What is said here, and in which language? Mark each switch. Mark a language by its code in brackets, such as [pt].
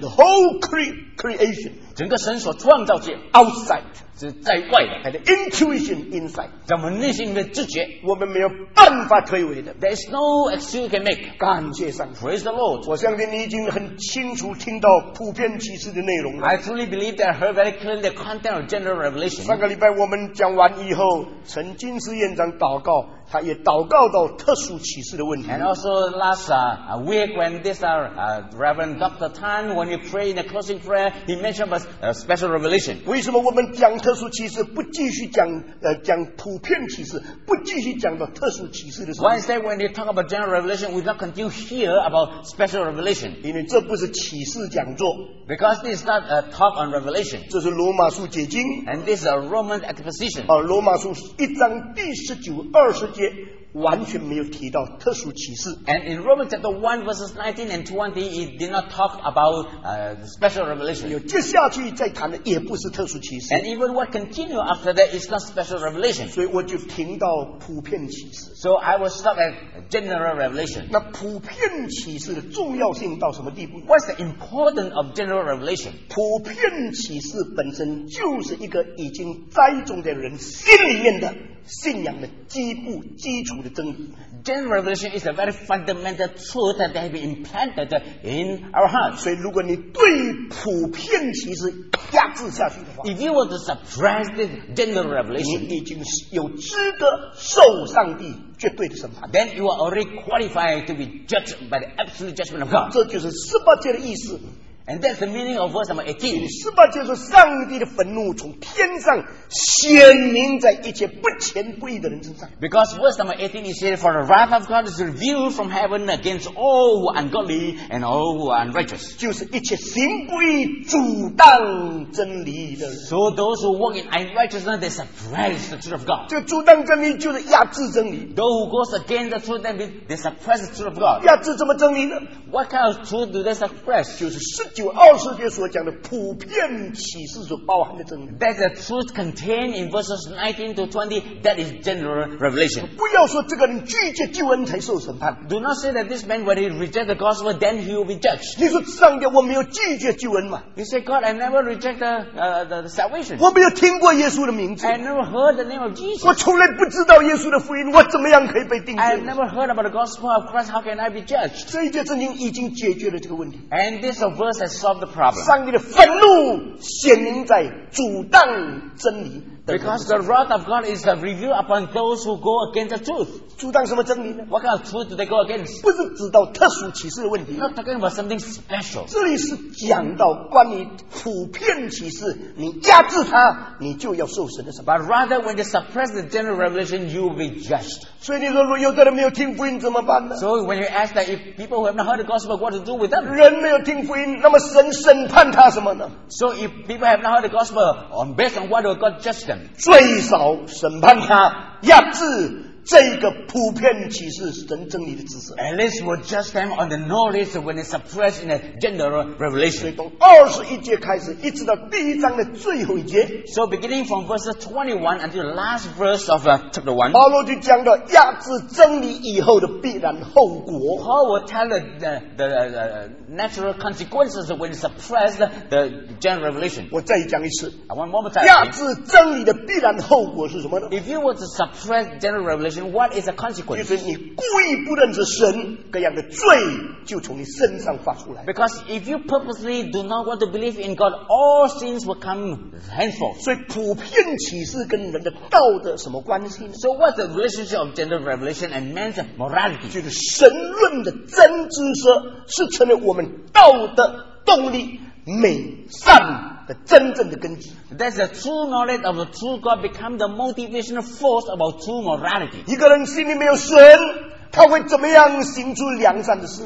[en] The whole creation. [zh] 整个神所创造界 [en] outside [zh] 是在外的 [en] and intuition inside [zh] 在我们内心里面的知觉我们没有办法推诿的 [en] there is no excuse you can make [zh] 感谢上帝 [en] praise the Lord [zh] 我相信你已经很清楚听到普遍启示的内容了 [en] I truly believe that I heard very clearly the content of general revelation [zh] 上个礼拜我们讲完以后曾经是院长祷告他也祷告到特殊启示的问题 [en] and also last week when this Reverend Dr. Tan when you pray in the closing prayer he mentioned about a special revelation [zh] 为什么我们讲特殊启示不继续讲讲普遍启示不继续讲到特殊启示的时候 [en] why is that when you talk about general revelation we not continue here about special revelation [zh] 因为这不是启示讲座 [en] because this is not a talk on revelation [zh] 这是罗马书解经 [en] and this is a Roman exposition [zh] 罗马书一章第十九二十节完全没有提到特殊启示 [en] and in Romans chapter 1 verses 19 and 20 he did not talk about the special revelation [zh] 接下去再谈的也不是特殊启示 [en] and even what continue after that is not special revelation [zh] 所以我就听到普遍启示 [en] so I will stop at general revelation [zh] 那普遍启示的重要性到什么地步 [en] what's the importance of general revelation [zh] 普遍启示本身就是一个已经栽种的人心里面的信仰的基步基础的真理 [en] General revelation is a very fundamental truth that they have been implanted in our hearts [zh] 所以如果你对普遍启示压制下去的话 [en] If you want to suppress this general revelation [zh] 你已经有资格受上帝绝对的审判 [en] Then you are already qualified to be judged by the absolute judgment of God [zh] 这就是十八节的意思 [en] And that's the meaning of verse number 18 [zh] 十八节是上帝的愤怒从天上显明在一切不虔不义的人身上 [en] because verse number 18 he said for the wrath of God is revealed from heaven against all who are ungodly and all who are unrighteous [zh] 就是一切行不义阻挡真理的 [en] so those who walk in unrighteousness they suppress the truth of God [zh] 这阻挡真理就是压制真理 [en] those who goes against the truth they suppress the truth of God [zh] 压制怎么真理呢 [en] what kind of truth do they suppress [zh] 就是十九二十节所讲的普遍启示所包含的真理 [en] that the truth contains contained in verses 19 to 20 that is general revelation [zh] 不要说这个人拒绝救恩才受审判 [en] do not say that this man when he rejects the gospel then he will be judged [zh] 你说上帝我没有拒绝救恩嘛 [en] you say God I never reject the salvation [zh] 我没有听过耶稣的名字 [en] I never heard the name of Jesus [zh] 我从来不知道耶稣的福音我怎么样可以被定罪 [en] I have never heard about the gospel of Christ how can I be judged [zh] 这一节圣经已经解决了这个问题 [en] and this verse has solved the problem [zh] 上帝的愤怒显明在阻挡真理 [en] Because the wrath of God is revealed upon those who go against the truth. [zh] 阻挡什么真理呢 [en] What kind of truth do they go against? [zh] 不是指到特殊启示的问题 [en] Not talking about something special. [zh] 这里是讲到关于普遍启示，你压制它，你就要受神的审判。 [en] But rather, when you suppress the general revelation, you will be judged. [zh] 所以你说，有的人没有听福音怎么办呢 [en] ？So when you ask that if people who have not heard the gospel, what to do with them? [zh] 人没有听福音，那么神审判他什么呢 [en] ？So if people have not heard the gospel, based on what will God judge them? [zh] 最少审判他，压制这个普遍启示神真理的知识。 [en] At least we'll judge them on the knowledge when it's suppressed in a general revelation. [zh] 所以从二十一节开始，一直到第一章的最后一节。 [en] So beginning from verse 21 until the last verse of chapter 1, [zh] 保罗就讲到压制真理以后的必然后果。 [en] Paul will tell the natural consequences when it's suppressed the general revelation. [zh] 我再讲一次。 [en] I want one more time. [zh] 压制真理的必然后果是什么呢 [en] ？If you were to suppress general revelation,What is the consequence? [zh] 就是你故意不认识神，各样的罪就从你身上发出来。 [en] Because if you purposely do not want to believe in God, all sins will come henceforth. [zh] 所以普遍启示跟人的道德什么关系 [en] ？So what's the relationship of general revelation and man's morality? [zh] 就是神论的真知识是成了我们道德动力美善。的真正的根基 [en] That's the true knowledge of the true God become the motivational force about true morality [zh] 一个人心里没有神他会怎么样行出良善的事